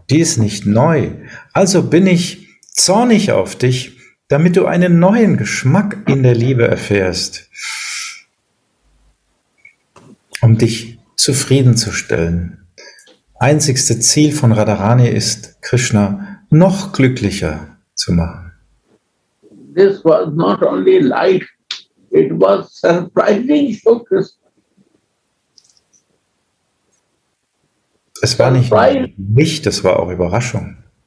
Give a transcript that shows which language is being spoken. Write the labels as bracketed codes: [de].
[de] Die ist nicht neu. Also bin ich zornig auf dich, damit du einen neuen Geschmack in der Liebe erfährst. Um dich zufriedenzustellen. Einzigste Ziel von Radharani ist, Krishna noch glücklicher zu machen. [en] This was not only light, it was surprising for Krishna. [de] Es war nicht nur Licht, es war auch Überraschung.